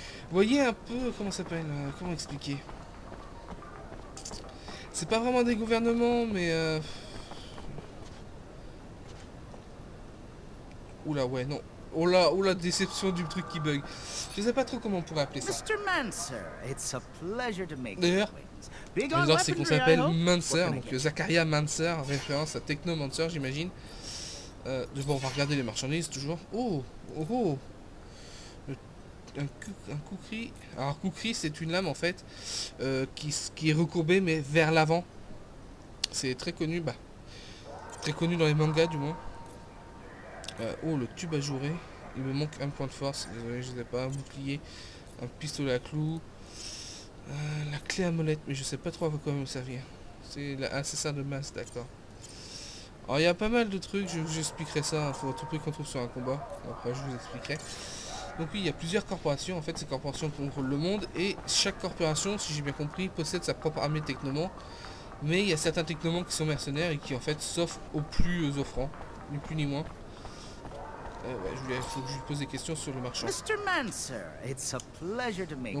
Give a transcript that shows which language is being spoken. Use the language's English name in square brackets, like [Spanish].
[French] voyez un peu comment ça s'appelle, comment expliquer, c'est pas vraiment des gouvernements mais oula ouais non. Oula déception du truc qui bug. Je sais pas trop comment on pourrait appeler ça. [English] Mr. Mansur, it's a pleasure to make [French] d'ailleurs, alors c'est qu'on s'appelle Mansur, donc Zacharia Mansur, référence à Techno Mansur j'imagine. Bon, on va regarder les marchandises toujours. Oh, oh. Un Kukri. Alors Kukri c'est une lame en fait qui est recourbée mais vers l'avant. C'est très connu, bah. Très connu dans les mangas du moins. Oh le tube à jouer, il me manque un point de force, désolé je n'ai pas un bouclier, un pistolet à clous, la clé à molette, mais je sais pas trop à quoi me servir. C'est l'assassin de masse, d'accord. Alors il y a pas mal de trucs, je vous expliquerai ça, il faut à tout prix qu'on trouve sur un combat, après je vous expliquerai. Donc oui, il y a plusieurs corporations, en fait ces corporations contrôlent le monde, et chaque corporation, si j'ai bien compris, possède sa propre armée de technomans, mais il y a certains technomans qui sont mercenaires et qui en fait s'offrent aux plus offrants, ni plus ni moins. Ouais, je voulais, faut que je lui pose des questions sur le marchand. [English] Mr. Mansur, it's a pleasure to meet you.